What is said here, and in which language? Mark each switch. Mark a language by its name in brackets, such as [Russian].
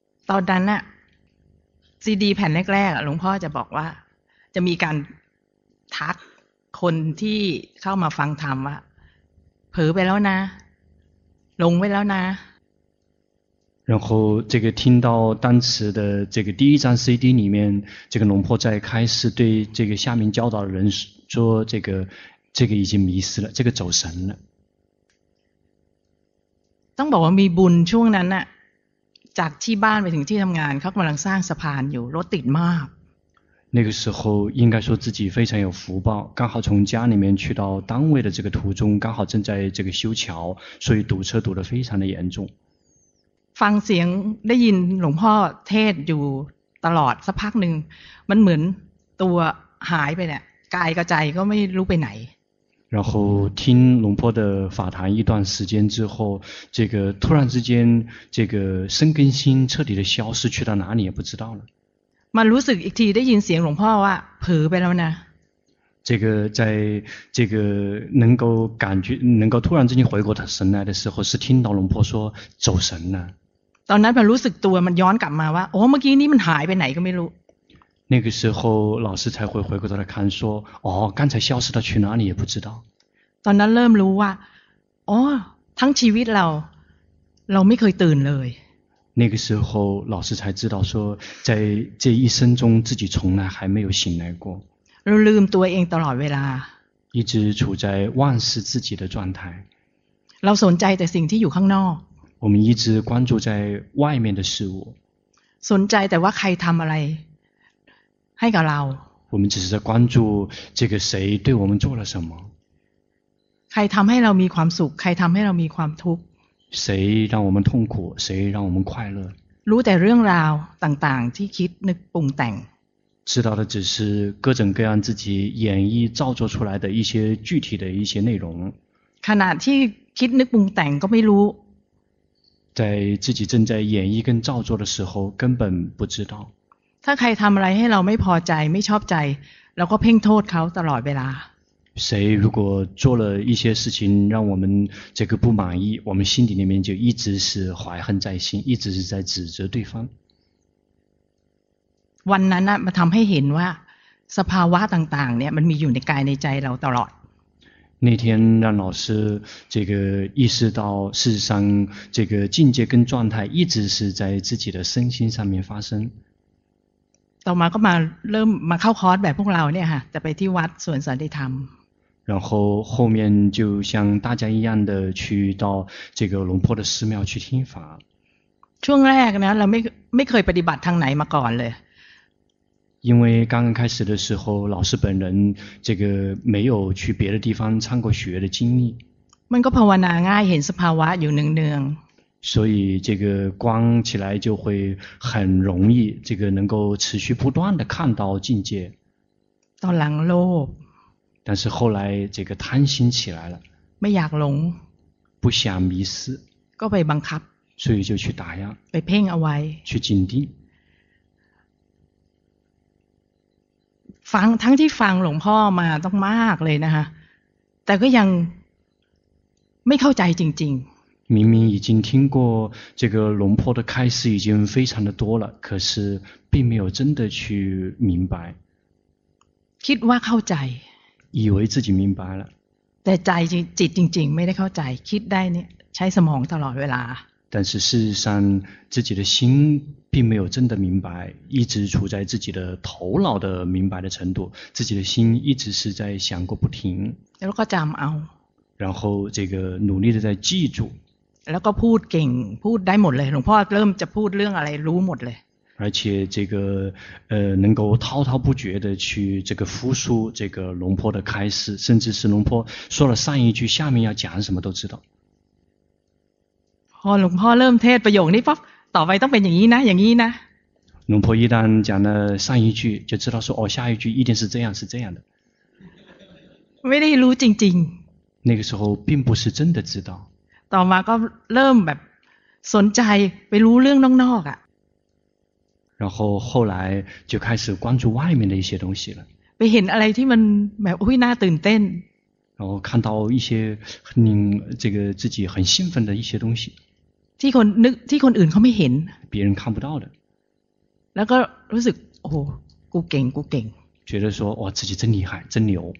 [Thai] ตอนนั้นน่ะซีดีแผ่นแรกๆหลวงพ่อจะบอกว่าจะมีการทักคนที่เข้ามาฟังธรรมว่าเผลอไปแล้วนะลงไปแล้วนะ [Chinese] 然后这个听到当时的这个第一张 CD 里面，这个龙婆在开始对这个下面教导的人说，这个已经迷失了，这个走神了。 [Thai] ต้องบอกว่ามีบุญช่วงนั้นน่ะจากที่บ้านไปถึงที่ทำงานเขากำลังสร้างสะพานอยู่รถติดมาก [Chinese] 那个时候应该说自己非常有福报，刚好从家里面去到单位的这个途中，刚好正在这个修桥，所以堵车堵得非常的严重。 [Thai] ฟังเสียงได้ยินหลวงพ่อเทศอยู่ตลอดสักพักหนึ่งมันเหมือนตัวหายไปเนี่ยกายกับใจก็ไม่รู้ไปไหน [Chinese] 然后听龙婆的法谈一段时间之后，这个突然之间这个身跟心彻底的消失，去到哪里也不知道了。 [Thai] มันรู้สึกอีกทีได้ยินเสียงหลวงพ่อว่าเผลอไปแล้วนะ [Chinese] 这个在这个能够感觉能够突然之间回过神来的时候，是听到龙婆说走神了。 [Thai] ตอนนั้นมันรู้สึกตัวมันย้อนกลับมาว่าโอ้เมื่อกี้นี้มันหายไปไหนก็ไม่รู้ [Chinese] 那个时候老师才会回过头来看说哦刚才消失的去哪里也不知道 [Thai] ตอนนั้นเริ่มรู้ว่าโอ้ทั้งชีวิตเราไม่เคยตื่นเลย [Chinese] 那个时候老师才知道说在这一生中自己从来还没有醒来过 [Thai] เราลืมตัวเองตลอดเวลา [Chinese] 一直处在忘失自己的状态 [Thai] เราสนใจแต่สิ่งที่อยู่ข้างนอก [Chinese] 我们一直关注在外面的事物 [Thai] สนใจแต่ว่าใครทำอะไรให้กับเรา [Chinese] 我们只是在关注这个谁对我们做了什么 [Thai] ใครทำให้เรามีความสุขใครทำให้เรามีความทุกข์ [Chinese] 谁让我们痛苦谁让我们快乐 [Thai] รู้แต่เรื่องราวต่างๆที่คิดนึกปรุงแต่ง [Chinese] 知道的只是各种各样自己演绎造作出来的一些具体的一些内容 [Thai] ขณะที่คิดนึกปรุงแต่งก็ไม่รู้ [Chinese] 在自己正在演绎跟造作的时候根本不知道 [Thai] ถ้าใครทำอะไรให้เราไม่พอใจไม่ชอบใจเราก็เพ่งโทษเขาตลอดเวลา [Chinese] 谁如果做了一些事情让我们这个不满意我们心底里面就一直是怀恨在心一直是在指责对方 [Thai] วันนั้นมันทำให้เห็นว่าสภาวะต่างๆเนี่ยมันมีอยู่ในกายในใจเราตลอด [Chinese] 那天让老师这个意识到事实上这个境界跟状态一直是在自己的身心上面发生 [Thai] ต่อมาก็มาเริ่มมาเข้าคอร์สแบบพวกเราเนี่ยค่ะจะไปที่วัดส่วนสันติธรรม [Chinese] 然后后面就像大家一样的去到这个龙坡的寺庙去听法 [Thai] ช่วงแรกนะเราไม่เคยปฏิบัติทางไหนมาก่อนเลย [Chinese] 因为刚刚开始的时候老师本人这个没有去别的地方参过学的经历 [Thai] มันก็ภาวนาง่ายเห็นสภาวะอยู่เนืองๆ [Chinese] 所以这个光起来就会很容易这个能够持续不断的看到境界 [Thai] ตอนหลังโลภ [Chinese] 但是后来这个贪心起来了 [Thai] ไม่อยากหลง [Chinese] 不想迷失 [Thai] ก็ไปบังคับ [Chinese] 所以就去打压 [Thai] ไปเพ่งเอาไว้ [Chinese] 去紧盯 [Thai] ฟังทั้งที่ฟังหลวงพ่อมาต้องมากเลยนะคะแต่ก็ยังไม่เข้าใจจริงๆ [Chinese] 明明已经听过这个龙婆的开示已经非常的多了可是并没有真的去明白 [Thai] คิดว่าเข้าใจ [Chinese] 以为自己明白了 [Thai] แต่ใจจิตจริงๆไม่ได้เข้าใจคิดได้เนี่ยใช้สมองตลอดเวลา [Chinese] 但是事实上自己的心并没有真的明白一直处在自己的头脑的明白的程度自己的心一直是在想过不停 [Thai] แล้วก็จำเอา [Chinese] 然后这个努力的在记住 [Thai] แล้วก็พูดเก่งพูดได้หมดเลยหลวงพ่อเริ่มจะพูดเรื่องอะไรรู้หมดเลย [Chinese] 而且这个能够滔滔不绝的去这个复述这个龙婆的开示甚至是龙婆说了上一句下面要讲什么都知道 [Thai] พอหลวงพ่อเริ่มเทศประโยคนี้ปั๊บต่อไปต้องเป็นอย่างนี้นะอย่างนี้นะ [Chinese] 龙婆一旦讲了上一句就知道说哦下一句一定是这样是这样的 [Thai] ไม่ได้รู้จริง [Chinese] ๆ那个时候并不是真的知道 [Thai] ต่อมาก็เริ่มแบบสนใจไปรู้เรื่องนอกๆอ่ะ [Chinese] 然后后来就开始关注外面的一些东西了 [Thai] ไปเห็นอะไรที่มันแบบอุ้ยน่าตื่นเต้น [Chinese] 然后看到一些这个自己很兴奋的一些东西 [Thai] ที่คนนึกที่คนอื่นเขาไม่เห็น [Chinese] 别人看不到的 [Thai] แล้วก็รู้สึกโอ้โหกูเก่งกูเก่ง [Chinese] 觉得说哇自己真厉害真牛